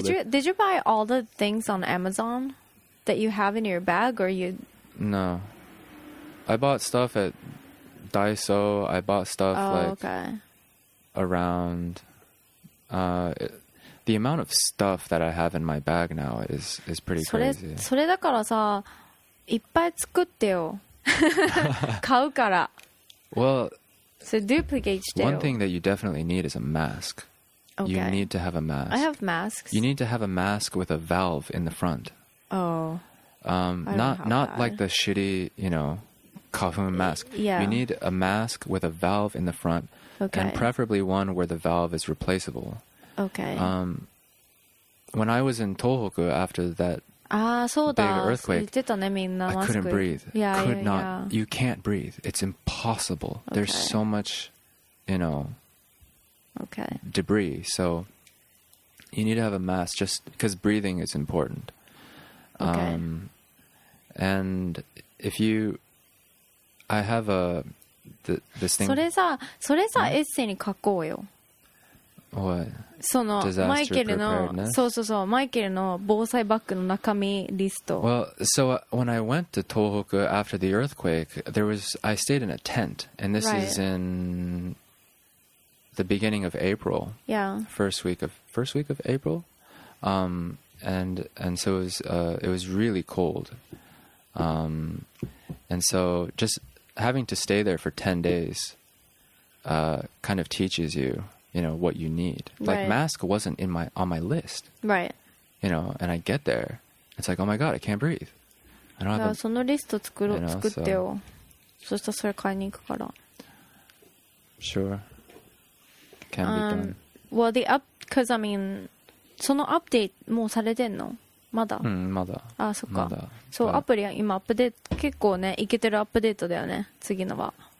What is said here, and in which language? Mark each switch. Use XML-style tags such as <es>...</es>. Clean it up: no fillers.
<en>Did you buy all the things on Amazon? That you have in your bag, or you? No, I bought stuff at Daiso. I bought stuff around. The amount of stuff that I have in my bag now is pretty crazy.</en> <ja>それだからさ、いっぱい作ってよ。買うから。</ja> <en>Well, so duplicate still. One thing that you definitely need is a mask. Okay. You need to have a mask. I have masks. You need to have a mask with a valve in the front. Not like the shitty, you know, kafun mask. Yeah. You need a mask with a valve in the front, and preferably one where the valve is replaceable. Okay. When I was in Tohoku after that big earthquake, you said,</en> <ja>ね、みんなマスク</ja> <en>I couldn't breathe. Yeah, Could not, You can't breathe. It's impossible. Okay. There's so much, you know, debris. So you need to have a mask just because breathing is important. And if you, I have this thing.</en> <ja>それさ、エッセイに書こうよ。</ja> <en>What?</en> <ja>その、マイケルの、そう、マイケルの防災バッグの中身リスト。</ja> <en>Well, so when I went to Tohoku after the earthquake, I stayed in a tent, and this is in the beginning of April. Yeah. First week of April. And so it was really cold. And so just having to stay there for 10 days, kind of teaches you, you know, what you need. Like, right. mask wasn't in my on my list. Right. You know, and I get there. It's like, oh my God, I can't breathe. I don't have a,</en> <ja>そのリスト作ろ、</ja> <en>you know,</en> <ja>作ってよ。そしたらそれ買いに行くから。</ja> <en>Sure. Can be done. Well, the up... Because, I mean,</en> <ja>そのアップデートもうされてんの?まだ? うん、まだ。あ、そっか。まだ。そう、アプリは今アップデート、結構ね、いけてるアップデートだよね、次のは。</ja>